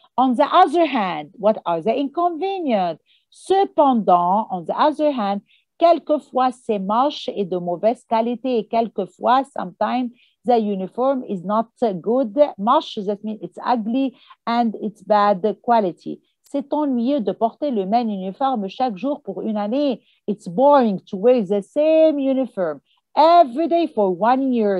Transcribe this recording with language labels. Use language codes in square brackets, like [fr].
[en] On the other hand, what are the inconvenients? Cependant, on the other hand, [fr] quelquefois c'est moche et de mauvaise qualité. Et quelquefois, [en] sometimes, the uniform is not good, moche, that means it's ugly and it's bad quality. [fr] C'est ennuyeux de porter le même uniforme chaque jour pour une année. [en] It's boring to wear the same uniform every day for 1 year.